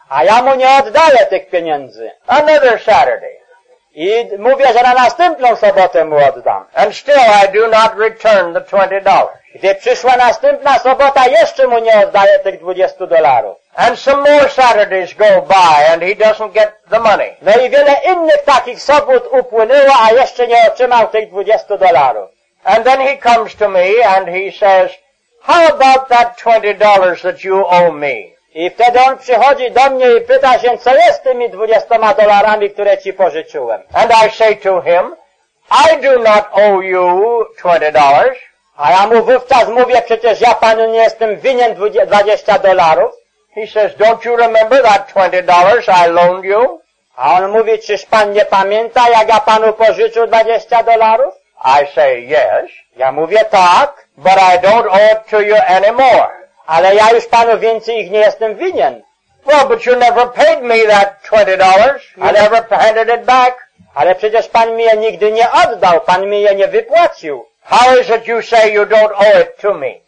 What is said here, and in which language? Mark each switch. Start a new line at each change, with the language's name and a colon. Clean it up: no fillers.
Polish: A ja mu nie oddaję tych pieniędzy.
English: Another Saturday.
Polish: I mówię, że na następną sobotę mu oddam.
English: And still I do not return the $20.
Polish: Gdy przyszła następna sobota, jeszcze mu nie oddaję tych $20.
English: And some more Saturdays go by and he doesn't get the money.
Polish: No i wiele innych takich sobot upłynęło, a jeszcze nie otrzymał tych $20.
English: And then he comes to me and he says, how about that $20 that you owe me?
Polish: I wtedy on przychodzi do mnie i pyta się, co jest z tymi $20, które ci pożyczyłem.
English: And I say to him, I do not owe you $20.
Polish: A ja mu wówczas mówię, przecież ja panu nie jestem winien $20.
English: He says, don't you remember that $20 I loaned you?
Polish: A on mówi, czyż pan nie pamięta, jak ja panu pożyczył $20?
English: I say, yes.
Polish: Ja mówię, tak.
English: But I don't owe it to you anymore.
Polish: Ale ja już panu więcej ich nie jestem winien.
English: Well, but you never paid me that $20. I never handed it back.
Polish: Ale przecież pan mi je nigdy nie oddał. Pan mi je nie wypłacił.
English: How is it you say you don't owe it to me?